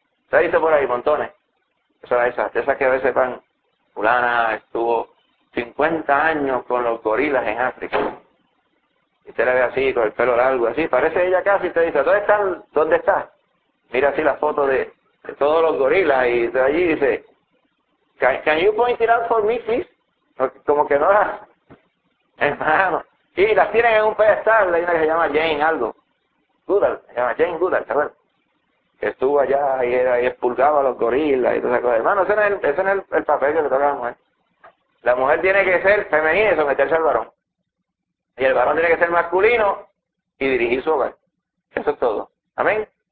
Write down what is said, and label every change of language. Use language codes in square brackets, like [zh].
[es] Se ha visto por ahí montones. Esas que a veces van, fulana estuvo 50 años con los gorilas en África. Y usted la ve así, con el pelo largo, así. Parece ella casi, usted dice, ¿dónde está? Mira así la foto de todos los gorilas y de allí dice... [en] Can you point it out for me, please? [es] Como que no las... Hermano. Y las tienen en un pedestal, hay una que se llama Jane algo. Jane Goodall, ¿sabes? Que estuvo allá y era y expulgaba a los gorilas y todas esas cosas. Hermano, ese no es el papel que le toca a la mujer. La mujer tiene que ser femenina y someterse al varón. Y el varón tiene que ser masculino y dirigir su hogar. Eso es todo. ¿Amén?